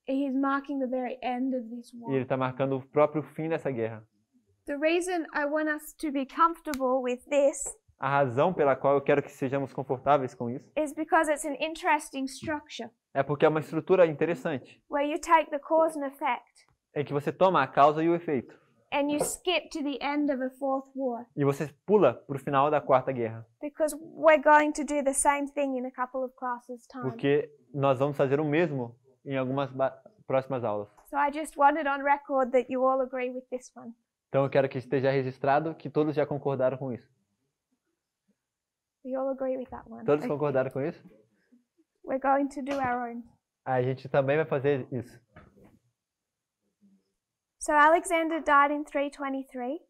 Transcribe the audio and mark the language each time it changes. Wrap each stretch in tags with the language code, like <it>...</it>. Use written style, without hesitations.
<en>He's marking the very end of this war.</en> <pt>E ele está marcando o próprio fim dessa guerra.</pt> <en>The reason I want us to be comfortable with this.</en> <pt>A razão pela qual eu quero que sejamos confortáveis com isso.</pt> <en>Is because it's an interesting structure.</en> <pt>É porque é uma estrutura interessante.</pt> <en>Where you take the cause and effect.</en> <pt>É que você toma a causa e o efeito.</pt> <en>And you skip to the end of a fourth war.</en> <pt>E você pula para o final da quarta guerra.</pt> <en>Because we're going to do the same thing in a couple of classes time.</en> <pt>Porque nós vamos fazer o mesmo em algumas próximas aulas.</pt> <en>So I just wanted on record that you all agree with this one.</en> <pt>Então eu quero que esteja registrado que todos já concordaram com isso.</pt> <en>We all agree with that one.</en> <pt>Todos okay. Concordaram com isso?</pt> <en>We're going to do our own.</en> <pt>A gente também vai fazer isso.</pt> <en>So Alexander died in 323.</en>